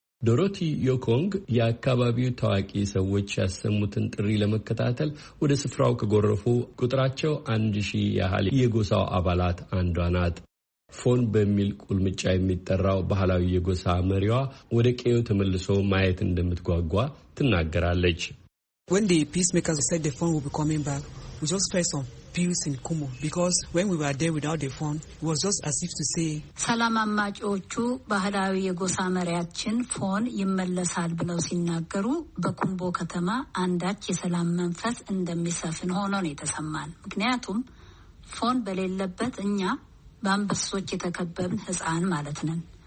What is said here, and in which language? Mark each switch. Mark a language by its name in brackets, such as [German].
[Amharic] ዶሮቲ ዮኮንግ የአካባቢው ታዋቂ ሰዎች ያሰሙትን ጥሪ ለመከታተል ወደ ስፍራው ከጎረፉ ቁጥራቸው 1000 ያህል የጎሳው አባላት አንዷ ናት። ፎን በሚል ቁልምጫ የሚጠራው ባህላዊ የጎሳ መሪዋ ወደ ቀዬው ተመልሶ ማየት እንደምትጓጓ ትናገራለች። [English] When the peacemakers said the phone will be coming back, we just felt some peace in Kumo because when we were there without the phone, it was just as if to say [Amharic] ሰላም አማጮቹ ባህላዊ የጎሳ መሪያችን ፎን ይመለሳል ብለው ሲናገሩ በኩምቦ ከተማ አንዳች የሰላም መንፈስ እንደሚሰፍን ሆኖ ነው የተሰማን። ምክንያቱም ፎን በሌለበት እኛ በአንበሶች የተከበብን ህፃን ማለት ነን።